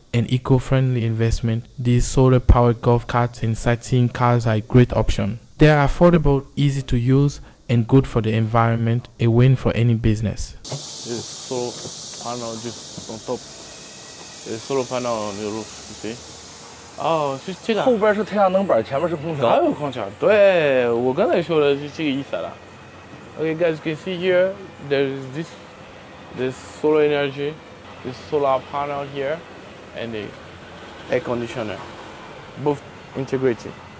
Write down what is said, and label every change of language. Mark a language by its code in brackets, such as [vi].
[en] an eco-friendly investment, these solar-powered golf carts and sightseeing cars are a great option. They are affordable, easy to use, and good for the environment, a win for any business. There's a solar panel just on top. There's a solar panel on the roof, you see? [zh] 后边是太阳能板，前面是空调，还有空调。对，我刚才说的是这个意思了。 [en] Okay, guys, you can see here. There is this solar energy, this solar panel here, and the air conditioner, both integrated.